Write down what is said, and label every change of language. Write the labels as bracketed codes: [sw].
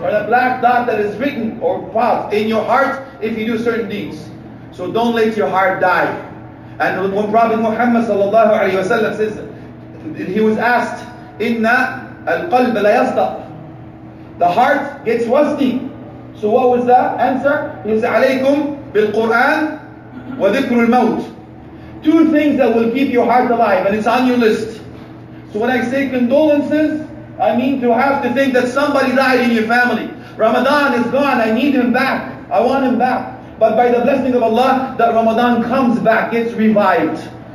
[en] Or a black dot that is written or passed in your heart if you do certain deeds. So don't let your heart die. And when Prophet Muhammad sallallahu alayhi wa sallam says, he was asked, [ar] إِنَّ الْقَلْبَ لَيَصْدَقْ. [en] The heart gets rusty. So what was the answer? He was [ar] عَلَيْكُمْ بِالْقُرْآنِ وَذِكْرُ الْمَوْتِ. [en] Two things that will keep your heart alive, and it's on your list. So when I say condolences, I mean to have to think that somebody died in your family. Ramadan is gone, I need him back. I want him back. But by the blessing of Allah, that Ramadan comes back, gets revived.